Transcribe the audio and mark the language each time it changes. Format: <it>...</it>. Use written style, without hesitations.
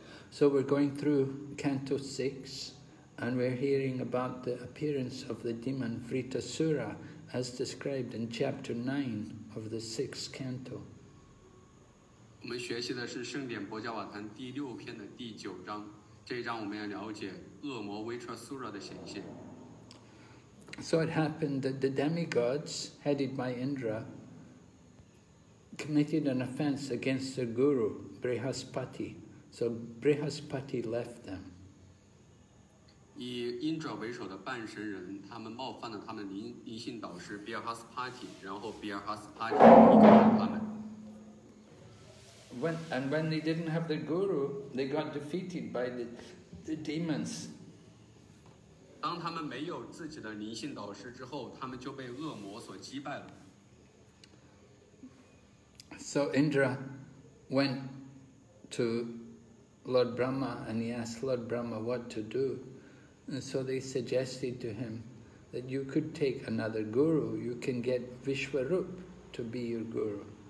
<en>So we're going through Canto 6, and we're hearing about the appearance of the demon Vritasura, as described in Chapter 9 of the 6th Canto.</en> <zh>我们学习的是《圣典波迦瓦坛》第六篇的第九章。这一章我们要了解恶魔维特苏拉的显现。</zh> <en>So it happened that the demigods, headed by Indra, committed an offense against their guru, Brihaspati. So Brihaspati left them.</en> <zh>以 Indra 为首的半神人，他们冒犯了他们灵性导师 Brihaspati， 然后 Brihaspati 离开了他们。</zh> <en>When they didn't have the guru, they got defeated by the demons.</en> <zh>当他们没有自己的灵性导师之后，他们就被恶魔所击败了。</zh> <en>So Indra went to Lord Brahma and he asked Lord Brahma what to do. And so they suggested to him that you could take another guru. You can get Vishwarup to be your guru.</en>